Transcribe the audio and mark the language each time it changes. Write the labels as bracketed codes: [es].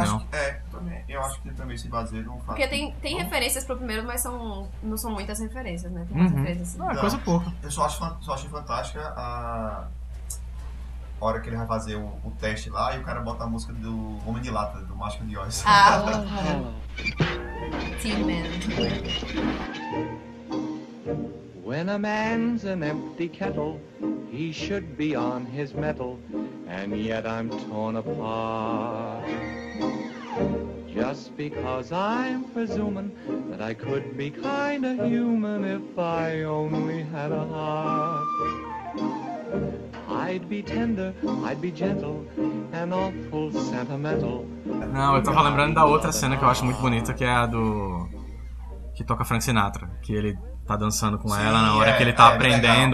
[pt] Acho que, eu acho que também se baseia num fato. Porque tem referências pro primeiro, mas não são muitas referências, né? Tem Não, é então, coisa pouca. Eu só acho fantástica a hora que ele vai fazer o teste lá e o cara bota a música do Homem de Lata, do Máscara de Oz. [en] Ah, sim, When a man's an empty kettle, he should be on his mettle, and yet I'm torn apart. Just because I'm presuming that I could be kinda human if I only had a heart. I'd be tender, I'd be gentle, and awful sentimental. [pt] Não, eu tava lembrando da outra cena que eu acho muito bonita, que é a do que toca Frank Sinatra, que ele tá dançando com Sim, ela na hora que ele tá aprendendo